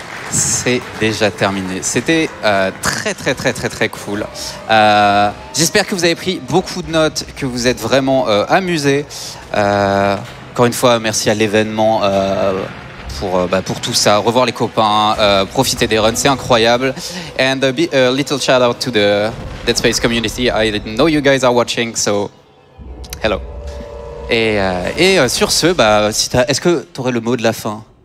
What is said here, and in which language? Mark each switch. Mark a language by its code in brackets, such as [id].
[fr] C'est déjà terminé. C'était très très très très très cool. J'espère que vous avez pris beaucoup de notes, que vous êtes vraiment amusés. Encore une fois, merci à l'événement pour tout ça. Revoir les copains, profiter des runs, c'est incroyable. [en] And a little shout out to the Dead Space community. I know you guys are watching, so hello. [fr] Et sur ce, est-ce que tu aurais le mot de la fin?